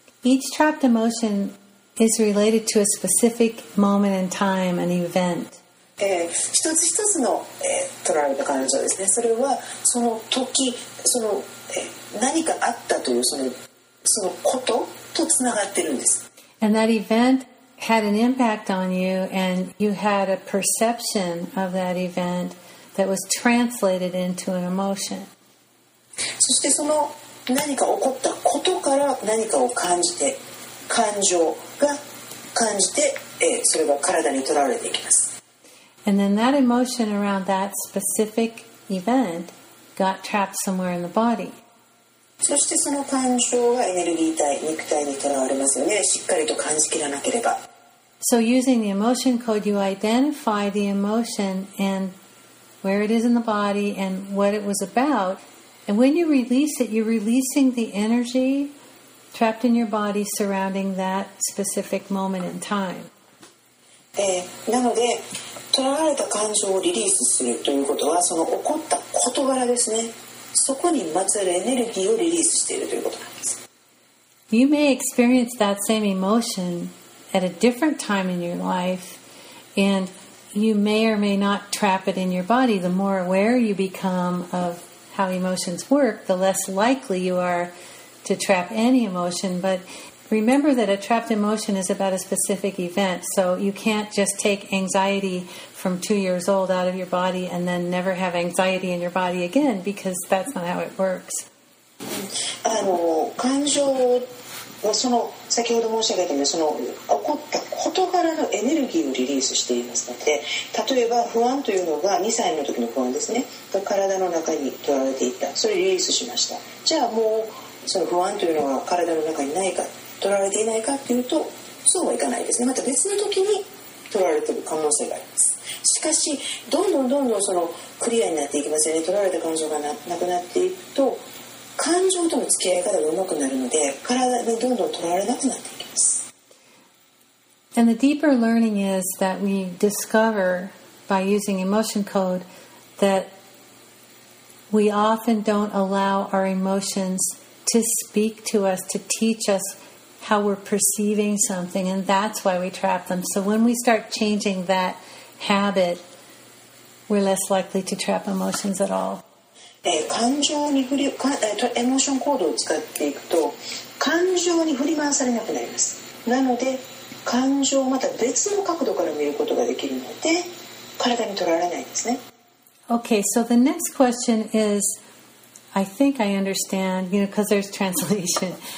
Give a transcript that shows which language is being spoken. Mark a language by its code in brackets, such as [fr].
[en] Each trapped emotion is related to a specific moment in time, an event. [ja] 一つ一つの、取られた感情ですね。それはその時、その、何かあったというそのこととつながってるんです。 [en] And that event had an impact on you, and you had a perception of that event that was translated into an emotion. [ja] そしてその何か起こったことから何かを感じて、感情が感じて、それが体に取られていきます。 [en] And then that emotion around that specific event got trapped somewhere in the body. [ja] そしてその感情がエネルギー体、肉体にとらわれますよね。しっかりと感じきらなければ。 [en] So using the emotion code, you identify the emotion and where it is in the body and what it was about. And when you release it, you're releasing the energy trapped in your body surrounding that specific moment in time. [ja] なので、とらわれた感情をリリースするということは、その起こった事柄ですね。そこにまつわるエネルギーをリリースしているということなんです。 [en] You may experience that same emotion at a different time in your life, and you may or may not trap it in your body. The more aware you become of how emotions work, the less likely you are to trap any emotion. But remember that a trapped emotion is about a specific event, so you can't just take anxiety from 2 years old out of your body and then never have anxiety in your body again, because that's not how it works. [ja] 感情をその先ほど申し上げたようにその起こった事柄のエネルギーをリリースしていますので、例えば不安というのが2歳の時の不安ですね、体の中に取られていた、それをリリースしました。じゃあもうその不安というのが体の中にないか、取られていないかというと、そうはいかないですね。また別の時に取られている可能性があります。しかしどんどんどんどんそのクリアになっていきますよね。取られた感情が なくなっていくと、感情との付き合い方がうまくなるので、体にどんどん取られなくなっていきます。 [en] And the deeper learning is that we discover by using emotion code that we often don't allow our emotions to speak to us, to teach us how we're perceiving something, and that's why we trap them. So when we start changing that habit, we're less likely to trap emotions at all. [ja] 感情に振り、エモーションコードを使っていくと、感情に振り回されなくなります。なので、感情をまた別の角度から見ることができるので、体に取られないですね。 [en] Okay, so the next question is, I think I understand, you know, because there's translation.